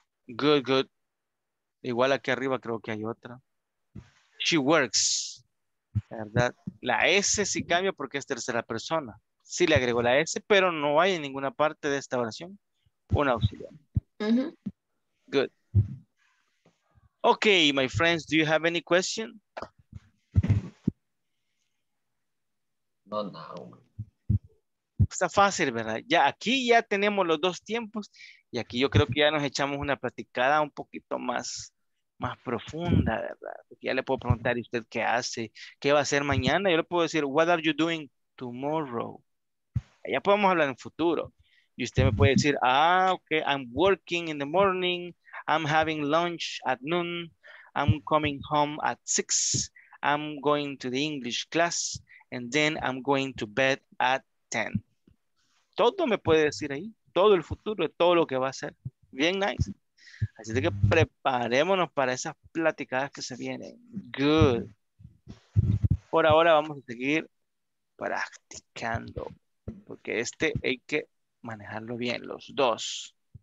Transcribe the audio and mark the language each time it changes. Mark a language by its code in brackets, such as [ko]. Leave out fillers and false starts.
[en] Good, good. [es] Igual aquí arriba creo que hay otra. [en] She works. [es] ¿Verdad? La S sí cambia porque es tercera persona. Sí le agregó la S, pero no hay en ninguna parte de esta oración un auxiliar. Uh-huh. [en] Good. Ok, my friends, do you have any question? [es] No, no. Está fácil, ¿verdad? Ya aquí ya tenemos los dos tiempos y aquí yo creo que ya nos echamos una platicada un poquito más profunda, ¿verdad? Ya le puedo preguntar, ¿y usted qué hace? ¿Qué va a hacer mañana? Yo le puedo decir, [en] what are you doing tomorrow? [es] Ya podemos hablar en futuro. Y usted me puede decir, [en] ah, ok, I'm working in the morning, I'm having lunch at noon, I'm coming home at 6, I'm going to the English class, and then I'm going to bed at 10. [es] Todo me puede decir ahí. Todo el futuro, todo lo que va a ser. Bien nice. Así que preparémonos para esas platicadas que se vienen. Good. Por ahora vamos a seguir practicando. Porque este hay que manejarlo bien, los dos.